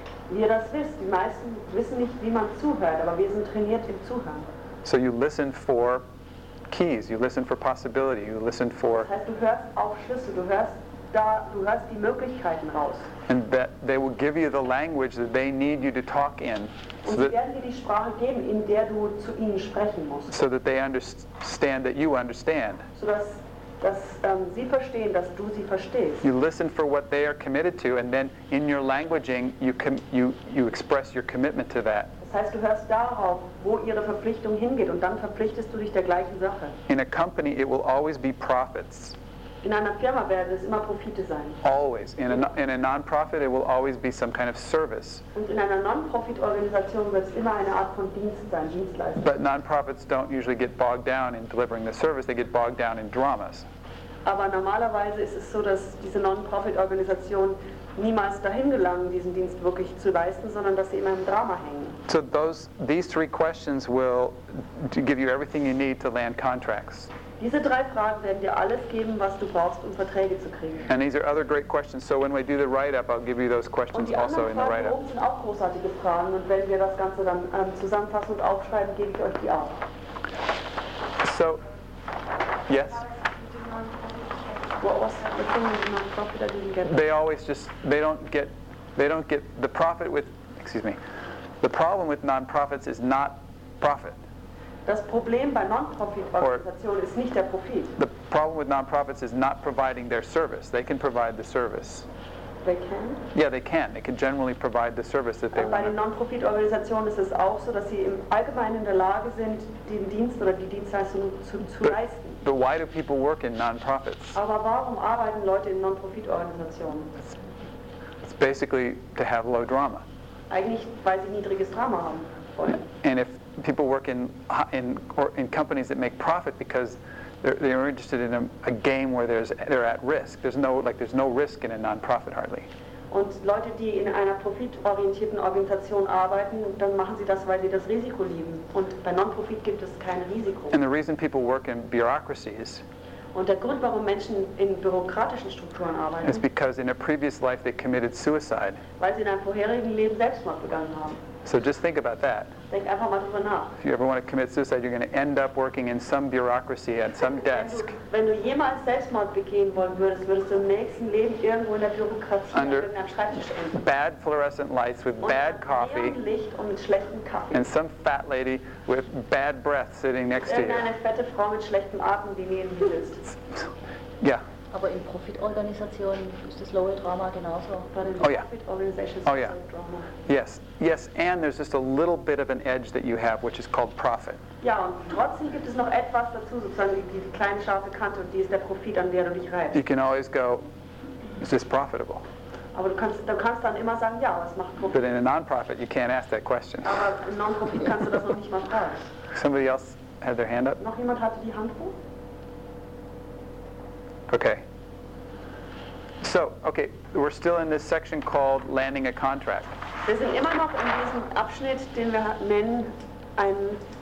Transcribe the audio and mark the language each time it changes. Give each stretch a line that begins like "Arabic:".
German: Wie ihr das wisst, die meisten wissen nicht, wie man zuhört, aber wir sind trainiert im Zuhören.
English: So you listen for keys, you listen for possibility, you listen for.
German: Das heißt, du hörst auf Schlüssel, du hörst die Möglichkeiten raus.
English: And that they will give you the language that they need you to talk in.
German: Und sie werden dir die Sprache geben, in der du zu ihnen sprechen musst.
English: So that they understand that you understand.
German: So dass sie verstehen, dass du sie verstehst.
English: You listen for what they are committed to, and then in your languaging you express your commitment to that.
German: Das heißt, du hörst darauf, wo ihre Verpflichtung hingeht, und dann verpflichtest du dich der gleichen Sache.
English: In a company, it will always be profits.
German: In einer Firma werden es immer Profite sein.
English: Always. In a non-profit, it will always be some kind of service.
German: Und in einer Non-Profit-Organisation wird es immer eine Art von Dienst sein, Dienstleistung.
English: But non-profits don't usually get bogged down in delivering the service. They get bogged down in dramas.
German: Aber normalerweise ist es so, dass diese Non-Profit-Organisationen niemals dahin gelangen, diesen Dienst wirklich zu leisten, sondern dass sie in einem Drama hängen.
English: So these three questions will give you everything you need to land contracts.
German: Diese drei Fragen werden dir alles geben, was du brauchst, um Verträge zu kriegen.
English: And these are other great questions. So when we do the write-up, I'll give you those questions also in the write-up.
German: Und die anderen Fragen sind auch großartige Fragen. Und wenn wir das Ganze dann zusammenfassen und aufschreiben, gebe ich euch die auch.
English: So, yes? What was the thing with the non-profit? I didn't get that. They don't get the profit with, excuse me, the problem with non-profits is not profit.
German: Das Problem bei Non-Profit-Organisationen ist nicht der Profit.
English: The problem with non-profits is not providing their service. They can provide the service. They can? Yeah, they can. They can generally provide the service that they want.
German: Bei den Non-Profit-Organisationen ist es auch so, dass sie im Allgemeinen in der Lage sind, den Dienst oder die Dienstleistung zu leisten.
English: But why do people work in non-profits?
German: Aber warum arbeiten Leute in Non-Profit-Organisationen?
English: It's basically to have low drama.
German: Eigentlich, weil sie niedriges Drama haben wollen.
English: And if people work in companies that make profit because they're interested in a game where they're at risk. There's no risk in a non-profit hardly.
German: Und Leute, die in einer profitorientierten Organisation arbeiten, dann machen sie das, weil sie das Risiko lieben. Und bei non-profit gibt es kein Risiko.
English: And the reason people work in bureaucracies.
German: Und der Grund, warum Menschen in bürokratischen Strukturen arbeiten,
English: is because in a previous life they committed suicide.
German: Weil sie in einem vorherigen Leben Selbstmord begangen haben.
English: So just think about that.
German: Denk einfach mal drüber nach.
English: If you ever want to commit suicide, you're going to end up working in some bureaucracy at some desk.
German: Wenn du jemals Selbstmord begehen wollen würdest, würdest du im nächsten Leben irgendwo in der Bürokratie an irgendeinem Schreibtisch enden.
English: Bad fluorescent lights with bad coffee.
German: Und Licht und mit schlechtem Kaffee.
English: And some fat lady with bad breath sitting next to you.
German: Irgendeine fette Frau mit schlechtem Atem, die neben dir sitzt.
English: Yeah.
German: Aber in Profitorganisationen ist das lowe Drama genauso.
English: Oh yeah. Oh yeah. Yes. Yes, and there's just a little bit of an edge that you have, which is called profit.
German: Ja, und trotzdem gibt es noch etwas dazu, sozusagen die kleine scharfe Kante, und die ist der Profit, an der du dich reibst.
English: You can always go, is this profitable?
German: Aber du kannst dann immer sagen, ja, was macht Profit?
English: But in a non-profit, you can't ask that question.
German: Aber in non-profit kannst du das noch nicht mal fragen.
English: Somebody else had their hand up?
German: Noch jemand hatte die Hand hoch?
English: Okay. So, okay, we're still in this section called landing a contract.
German: Wir sind immer noch in diesem Abschnitt, den wir nennen, einen